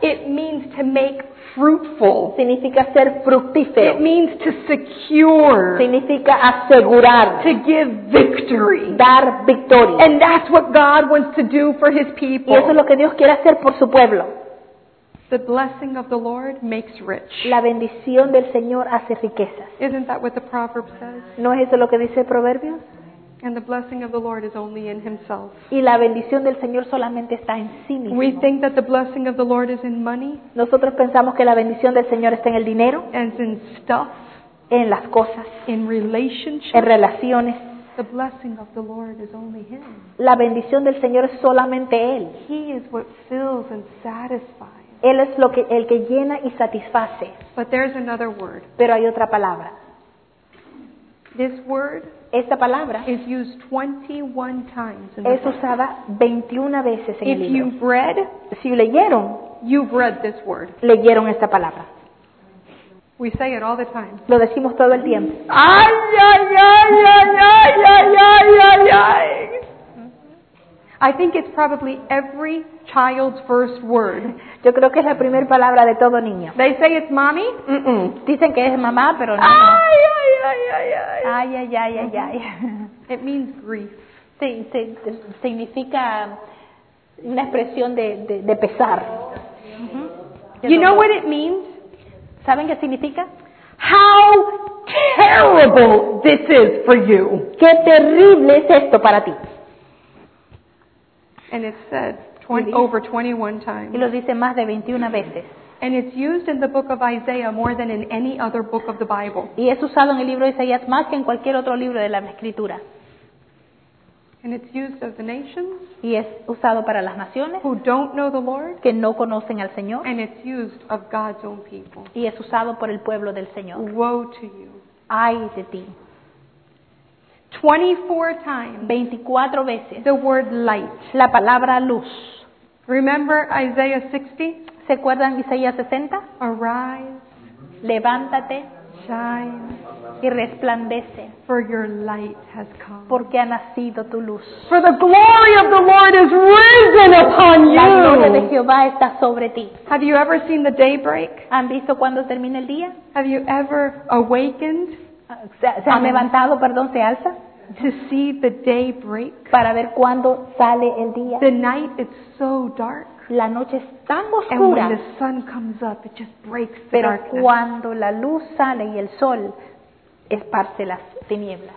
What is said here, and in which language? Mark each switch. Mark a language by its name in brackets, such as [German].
[English] It means to make fruitful. [Spanish] Significa ser fructífero. [English] It means to secure. [Spanish] Significa asegurar. [English] To give victory. [Spanish] Dar victoria. [English] And that's what God wants to do for his people. [Spanish] Y eso es lo que Dios quiere hacer por su pueblo. [English] The blessing of the Lord makes rich. [Spanish] La bendición del Señor hace riquezas. [English] Isn't that what the proverb says? [Spanish] ¿No es eso lo que dice el proverbio? [English] And the blessing of the Lord is only in himself. [Spanish] Y la bendición del Señor solamente está en sí mismo. [English] We think that the blessing of the Lord is in money. [Spanish] Nosotros pensamos que la bendición del Señor está en el dinero. [English] And in stuff. [Spanish] En las cosas. [English] In relationships. [Spanish] En relaciones. [English] The blessing of the Lord is only him. [Spanish] La bendición del Señor es solamente él. [English] He is what fills and satisfies. [Spanish] Él es lo que, el que llena y satisface. [English] But there's another word. [Spanish] Pero hay otra palabra. [English] This word, [Spanish] esta palabra, [English] is used 21 times in the Bible. [Spanish] Es usada 21 veces en el libro. [English] If you've read, [Spanish] si leyeron, [English] you've read this word. [Spanish] Leyeron esta palabra. [English] We say it all the time. [Spanish] Lo decimos todo el tiempo. Ay, ay, ay, ay, ay, ay, ay, ay, ay. [English] I think it's probably every child's first word. [Spanish] Yo creo que es la primera palabra de todo niño. [English] They say it's mommy. Mm-mm. [Spanish] Dicen que es mamá, pero no. Ay, no. Ay, ay, ay, ay, ay. Ay, ay, ay, ay, ay. [English] It means grief. [Spanish] Sí, sí, significa una expresión de pesar. [English] Mm-hmm. You know what it means? [Spanish] ¿Saben qué significa? [English] How terrible this is for you. [Spanish] Qué terrible es esto para ti. [English] And it's said 21 times. [Spanish] Y lo dice más de 21 veces. [English] And it's used in the book of Isaiah more than in any other book of the Bible. [Spanish] Y es usado en el libro de Isaías más que en cualquier otro libro de la Escritura. [English] And it's used of the nations. [Spanish] Y es usado para las naciones. [English] Who don't know the Lord. [Spanish] Que no conocen al Señor. [English] And it's used of God's own people. [Spanish] Y es usado por el pueblo del Señor. [English] Woe to you. [Spanish] Ay de ti. [English] 24 times. [Spanish] 24 veces. [English] The word light. [Spanish] La palabra luz. [English] Remember Isaiah 60? [Spanish] ¿Se acuerdan Isaías 60? [English] Arise. [Spanish] Levántate. [English] Shine. [Spanish] Y resplandece. [English] For your light has come. [Spanish] Porque ha nacido tu luz. [English] For the glory of the Lord is risen upon you. [Spanish] La gloria de Jehová está sobre ti. [English] Have you ever seen the daybreak? [Spanish] ¿Han visto cuando termina el día? [English] Have you ever awakened? [Spanish] Se ha levantado, perdón, se alza. [English] To see the day break. [Spanish] Para ver cuándo sale el día. [English] The night is so dark. [Spanish] La noche es tan oscura. [English] And when the sun comes up, it just breaks the [Spanish] Pero [English] darkness. [Spanish] Cuando la luz sale y el sol esparce las tinieblas.